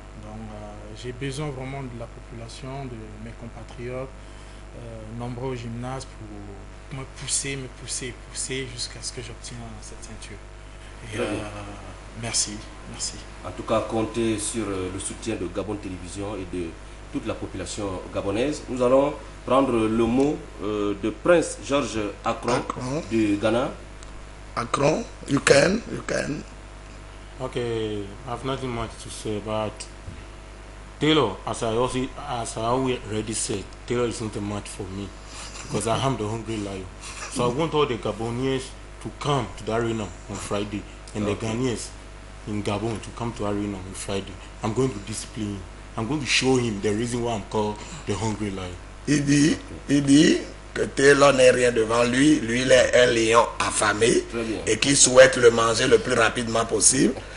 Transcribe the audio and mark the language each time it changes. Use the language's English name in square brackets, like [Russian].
[French] Donc j'ai besoin vraiment de la population, de mes compatriotes, nombreux au gymnase pour me pousser jusqu'à ce que j'obtienne cette ceinture. Et merci. En tout cas, comptez sur le soutien de Gabon Télévision et de toute la population gabonaise. Nous allons prendre le mot de Prince Georges Akron, du Ghana. [English] Akron, you can. Okay, I've nothing much to say, but Taylor, as I already said, Taylor is not a match for me because I am the hungry lion. So I want all the Gabonians to come to the arena on Friday, and the Ghanaians in Gabon to come to the arena on Friday. I'm going to discipline him. I'm going to show him the reason why I'm called the hungry lion. [French] Il dit que Taylor n'est rien devant lui. Lui, il est un lion affamé et qui souhaite le manger le plus rapidement possible.